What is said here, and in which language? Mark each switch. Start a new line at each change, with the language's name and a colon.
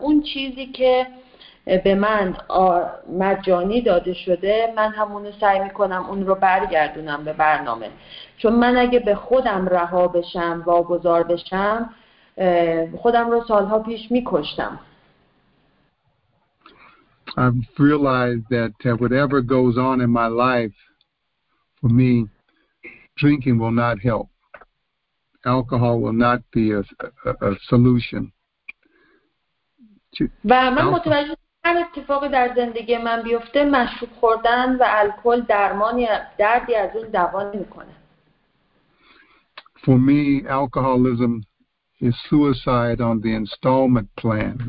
Persian: اون چیزی که به من مجانی داده شده، من همونو سعی میکنم اون رو برگردونم به برنامه. چون من اگه به خودم رها بشم، واگذار بشم، خودم رو سالها پیش میکشتم.
English: I've realized that whatever goes on in my life, for me, drinking will not help. Alcohol will not be a solution.
Persian: و من متوجه هر اتفاقی در زندگی من بیفته، مشروب خوردن و الکل درمانی دردی از اون دوا نمی‌کنه.
English: For me, alcoholism is suicide on the installment plan.